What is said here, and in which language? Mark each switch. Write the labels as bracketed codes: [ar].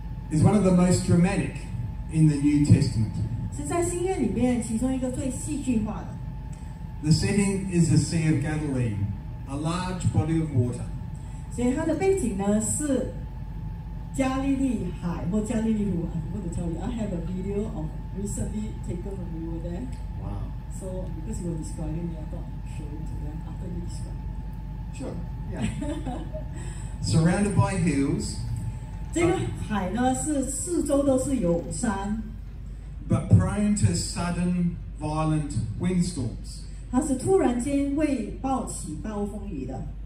[en] Is one of the most dramatic in the New Testament. [zh] 是在新约里面其中一个最戏剧化的。 [en] The setting is the Sea of Galilee, a large body of water. [zh] 所以它的背景呢是 加利利海或加利利湖, 我的教育, [en] I have a video of recently taken when we were there. Wow. So because you were describing me, I thought I'd show it to them after you describe. Sure. Yeah. Surrounded by hills. [zh] 这个海呢是四周都是有山, [en] but prone to sudden violent windstorms. [zh] 它是突然间会暴起暴风雨的。